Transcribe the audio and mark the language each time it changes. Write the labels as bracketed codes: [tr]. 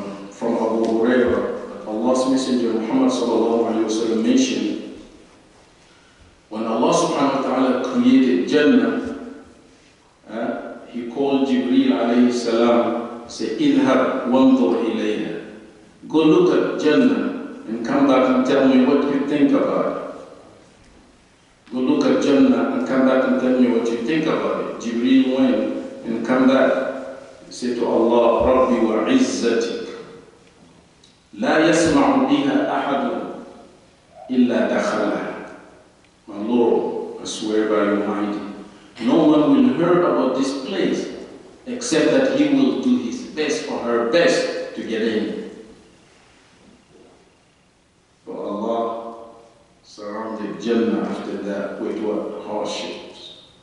[en] From Abu Huraira, Allah's Messenger Muhammad sallallahu alayhi wa sallam mentioned, when Allah subhanahu wa ta'ala created Jannah, he called Jibreel alayhi salam, say, [ar] idhab wanzur ilayha. [en] Go look at Jannah and come back and tell me what you think about it. Go look at Jannah and come back and tell me what you think about it. Jibreel went and come back. Say to Allah, [ar] Rabbi wa izzati. لا يسمع بها أحد إلا دخلها. [en] My Lord, I swear by your mind, no one will hear about this place except that he will do his best or her best to get in. But Allah surrounded Jannah after that with what? Hardships.